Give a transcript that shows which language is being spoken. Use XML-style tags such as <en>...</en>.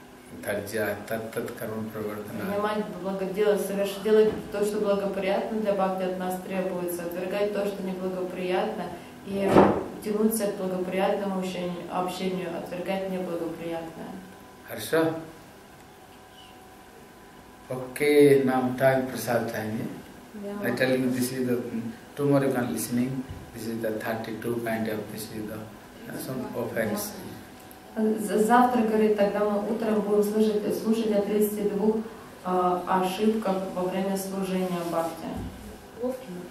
<ru>Внимание благоделать, делать то, что благоприятно для бхакти от нас требуется, отвергать то, что неблагоприятно, и тянуться к благоприятному общению, отвергать неблагоприятное. Хорошо.</ru> <en>Okay, now time, prasad time. I tell you, this is the, tomorrow you can listening, this is the 32 kind of, this is the, some offense.</en> <ru>Завтра, говорит, тогда мы утром будем слушать о 32 ошибках во время служения бхакти.</ru>